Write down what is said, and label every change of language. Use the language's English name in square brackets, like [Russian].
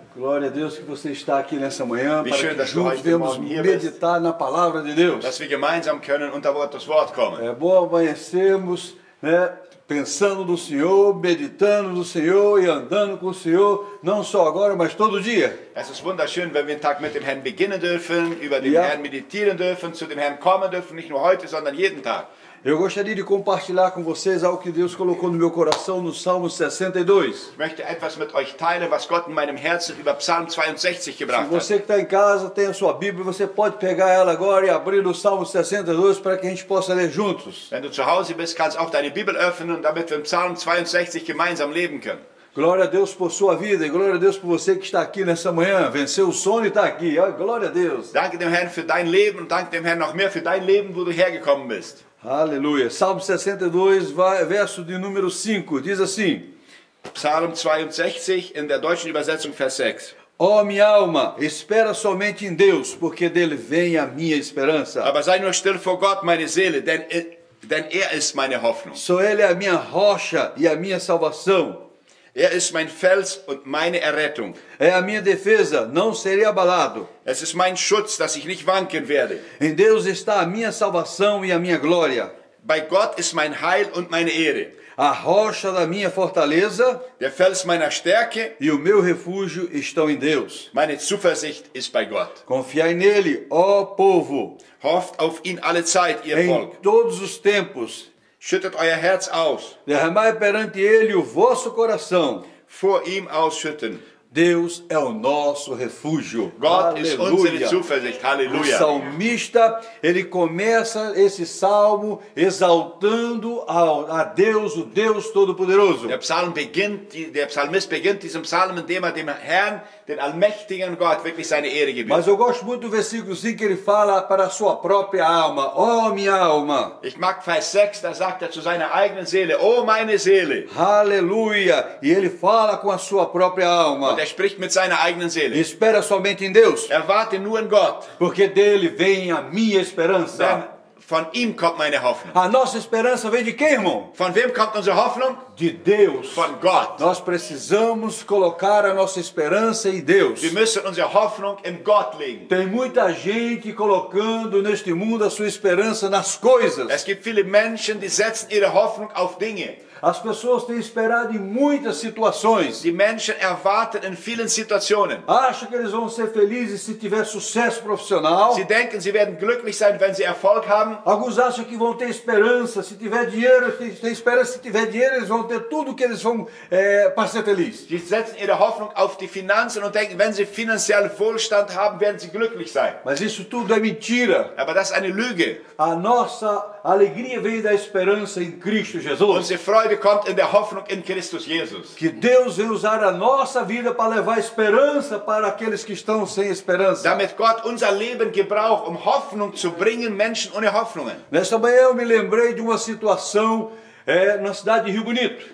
[Portuguese] Glória a Deus que você está aqui nessa manhã para que juntos venhamos meditar na palavra de Deus. [German] Dass wir gemeinsam können unter Gottes Wort kommen. [Portuguese] É bom amanhecermos, né, pensando no Senhor, meditando no Senhor e andando com o Senhor, não só agora, mas todo dia. [German] Es ist wunderschön, wenn wir den Tag mit dem Herrn beginnen dürfen, über den Herrn meditieren dürfen, zu dem Herrn kommen dürfen, nicht nur heute, sondern jeden Tag. [Portuguese] Eu gostaria de compartilhar com vocês algo que Deus colocou no meu coração no Salmo 62. [German] Ich möchte etwas mit euch teilen, was Gott in meinem Herzen über Psalm 62 gebracht hat. [Portuguese] Se você que está em casa tem a sua Bíblia, você pode pegar ela agora e abrir o Salmo 62 para que a gente possa ler juntos. [German] Wenn du zu Hause bist, kannst auch deine Bibel öffnen, damit wir im Psalm 62 gemeinsam leben können. [Portuguese] Glória a Deus por sua vida e glória a Deus por você que está aqui nessa manhã, venceu o sono e está aqui. Glória a Deus. [German] Danke dem Herrn für dein Leben und danke dem Herrn noch mehr für dein Leben, wo du hergekommen bist. [Portuguese] Aleluia. Salmo 62, verso de número 5, diz assim: [German] Psalm 62, in der deutschen Übersetzung, Vers 6. [Portuguese] Ó minha alma, espera somente em Deus, porque dele vem a minha esperança. [German] Aber sei nur still vor Gott, meine Seele, denn er ist meine Hoffnung. [Portuguese] Só ele é a minha rocha e a minha salvação. [German] Er ist mein Fels und meine Errettung. [Portuguese] É a minha defesa, não serei abalado. [German] Es ist mein Schutz, dass ich nicht wanken werde. [Portuguese] Em Deus está a minha salvação e a minha glória. [German] Bei Gott ist mein Heil und meine Ehre. [Portuguese] A rocha da minha fortaleza, [German] der Fels meiner Stärke, [Portuguese] e o meu refúgio estão em Deus. [German] Meine Zuversicht ist bei Gott. [Portuguese] Confiai nele, ó povo. [German] Hofft auf ihn alle Zeit, ihr Volk. [Portuguese] Em todos os tempos. [German] Schüttet euer Herz aus. [Portuguese] Derramai perante ele o vosso coração. [German] Vor ihm ausschütten. [Portuguese] Deus é o nosso refúgio. [German] Gott ist unsere Zuversicht. Halleluja. [Portuguese] O salmista, ele começa esse salmo exaltando a Deus, o Deus Todo-Poderoso. [German] Der Psalmist beginnt diesen Psalm, indem er dem Herrn, den allmächtigen Gott, wirklich seine Ehre gibt. [Portuguese] Mas eu gosto muito do versículo 5 que ele fala para a sua própria alma. Oh, minha alma. [German] Ich mag Vers 6, da sagt er zu seiner eigenen Seele. Oh, meine Seele. Halleluja. [Portuguese] E ele fala com a sua própria alma. [German] Und er spricht mit seiner eigenen Seele. [Portuguese] Espera somente em Deus. [German] Erwarte nur in Gott. [Portuguese] Porque dele vem a minha esperança. [German] Denn von ihm kommt meine Hoffnung. [Portuguese] A nossa esperança vem de quem, irmão? [German] Von wem kommt unsere Hoffnung? [Portuguese] De Deus. [German] Von Gott. [Portuguese] Nós precisamos colocar a nossa esperança em Deus. [German] Wir müssen unsere Hoffnung in Gott legen. [Portuguese] Tem muita gente colocando neste mundo a sua esperança nas coisas. [German] Es gibt viele Menschen, die setzen ihre Hoffnung auf Dinge. [Portuguese] As pessoas têm esperado em muitas situações. [German] Die Menschen erwarten in vielen Situationen. [Portuguese] Acham que eles vão ser felizes se tiver sucesso profissional. [German] Sie denken, sie werden glücklich sein, wenn sie Erfolg haben. [Portuguese] Alguns acham que vão ter esperança se tiver dinheiro. Tem esperança se tiver dinheiro, eles vão ter tudo que eles vão para ser feliz. [German] Sie setzen ihre Hoffnung auf die Finanzen und denken, wenn sie finanziellen Wohlstand haben, werden sie glücklich sein. [Portuguese] Mas isso tudo é mentira. [German] Aber das ist eine Lüge. [Portuguese] A nossa alegria vem da esperança em Cristo Jesus. [German] Unsere Freude kommt in der Hoffnung in Christus Jesus. [Portuguese] Que Deus vai usar a nossa vida para levar esperança para aqueles que estão sem esperança. [German] Damit Gott unser Leben gebraucht, Hoffnung zu bringen Menschen ohne Hoffnungen. [Portuguese] Nesta manhã eu me lembrei de uma situação na cidade de Rio Bonito.